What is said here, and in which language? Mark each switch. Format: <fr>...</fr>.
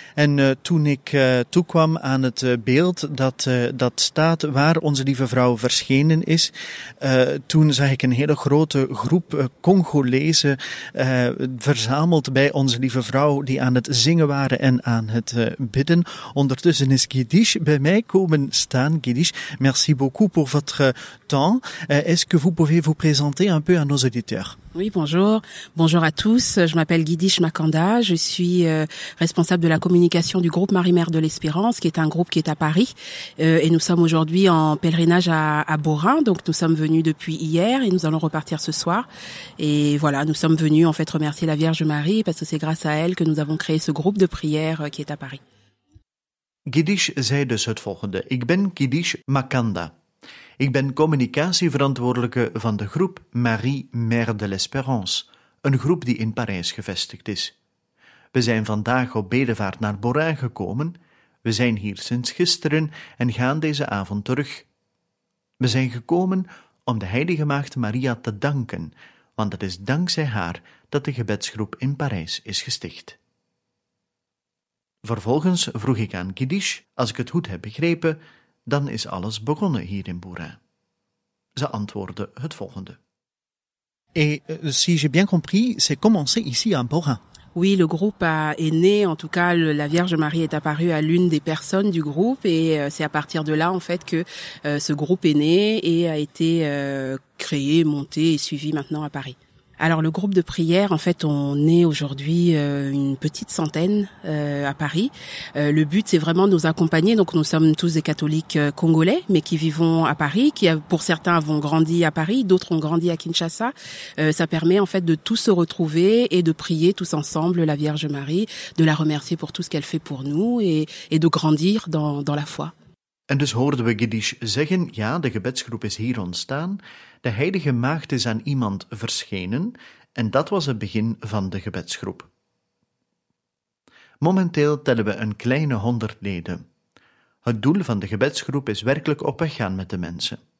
<nl>En toen ik toekwam aan het beeld dat staat waar Onze Lieve Vrouw verschenen is, toen zag ik een hele grote groep Congolezen verzameld bij Onze Lieve Vrouw die aan het zingen waren en aan het bidden. Ondertussen is Guidish bij mij komen staan.</nl> <fr>Guidish, merci beaucoup pour votre temps. Est-ce que vous pouvez vous présenter un peu à nos auditeurs? Oui, bonjour. Bonjour à tous. Je m'appelle Guidish Makanda. Je suis responsable de la communication du groupe Marie-Mère de l'Espérance, qui est un groupe qui est à Paris. Et nous sommes aujourd'hui en pèlerinage à Borin. Donc, nous sommes venus depuis hier et nous allons repartir ce soir. Et voilà, nous sommes venus en fait remercier la Vierge Marie parce que c'est grâce à elle que nous avons créé ce groupe de prière qui est à Paris.</fr> <nl>Guidish zei dus het volgende. Ik ben Guidish Makanda. Ik ben communicatieverantwoordelijke van de groep Marie Mère de l'Espérance, een groep die in Parijs gevestigd is. We zijn vandaag op bedevaart naar Borin gekomen, we zijn hier sinds gisteren en gaan deze avond terug. We zijn gekomen om de heilige maagd Maria te danken, want het is dankzij haar dat de gebedsgroep in Parijs is gesticht. Vervolgens vroeg ik aan Guidish, als ik het goed heb begrepen, dan is alles begonnen hier in Borin. Ze antwoordde het volgende.</nl> <fr>Et si j'ai bien compris, c'est commencé ici à Borin. Oui, le groupe est né, en tout cas, la Vierge Marie est apparue à l'une des personnes du groupe et c'est à partir de là, en fait, que ce groupe est né et a été créé, monté et suivi maintenant à Paris. Alors le groupe de prière, en fait, on est aujourd'hui une petite centaine à Paris. Le but, c'est vraiment de nous accompagner. Donc nous sommes tous des catholiques congolais, mais qui vivons à Paris, qui pour certains avons grandi à Paris, d'autres ont grandi à Kinshasa. Ça permet en fait de tous se retrouver et de prier tous ensemble la Vierge Marie, de la remercier pour tout ce qu'elle fait pour nous et de grandir dans la foi.</fr> <nl>En dus hoorden we Giddish zeggen, ja, de gebedsgroep is hier ontstaan, de heilige maagd is aan iemand verschenen en dat was het begin van de gebedsgroep. Momenteel tellen we een kleine 100 leden. Het doel van de gebedsgroep is werkelijk op weg gaan met de mensen.</nl>